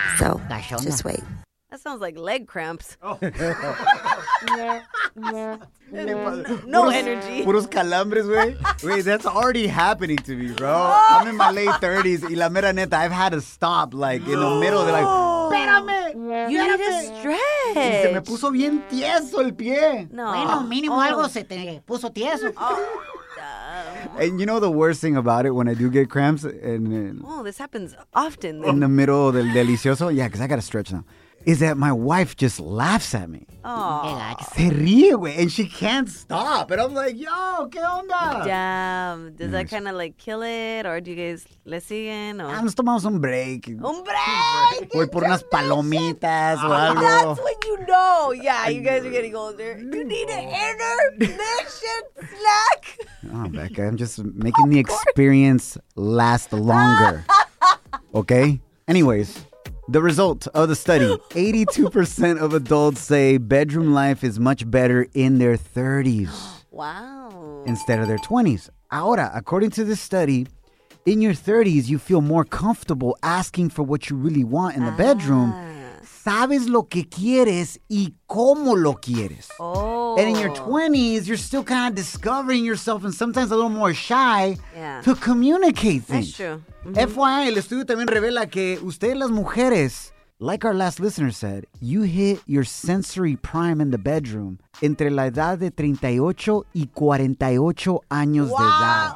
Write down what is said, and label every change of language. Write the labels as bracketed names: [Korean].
[English] So just wait. That sounds like leg cramps. No energy. [Spanish] Puros calambres, güey. [English] Wait, that's already happening to me, bro. I'm in my late 30s, [Spanish] y la mera neta, [English] I've had to stop, like, in the middle. They're like, [Spanish] espérame. [English] You need to stretch. [Spanish] Y se me puso bien tieso el pie. No. Bueno, mínimo algo se te puso tieso. [English] And you know the worst thing about it, when I do get cramps, and... This happens often. In the middle [Spanish] del delicioso. [English] Yeah, because I got to stretch now. Is that my wife just laughs at me. Oh. [Spanish] Se ríe, güey. [English] And she can't stop. And I'm like, yo, [Spanish] ¿qué onda? [English] Damn. Does that kind of like kill it? Or do you guys [Spanish] le siguen? [English] I'm just [Spanish] tomando [English] some break. [Spanish] Un break. Voy por unas palomitas o algo. [English] That's when you know. Yeah, you guys are getting older. You need an intermission snack. Oh, Becca, I'm just making the experience last longer. Okay? Anyways. The result of the study, 82% of adults say bedroom life is much better in their 30s. Wow. Instead of their 20s. Ahora, according to this study, in your 30s, you feel more comfortable asking for what you really want in the bedroom. [Spanish] Sabes lo que quieres y cómo lo quieres. [English] Oh. And in your 20s, you're still kind of discovering yourself and sometimes a little more shy to communicate things. That's true. [Spanish] FYI, el estudio también revela que ustedes las mujeres, [English] like our last listener said, you hit your sensory prime in the bedroom [Spanish] entre la edad de 38 y 48 años de edad.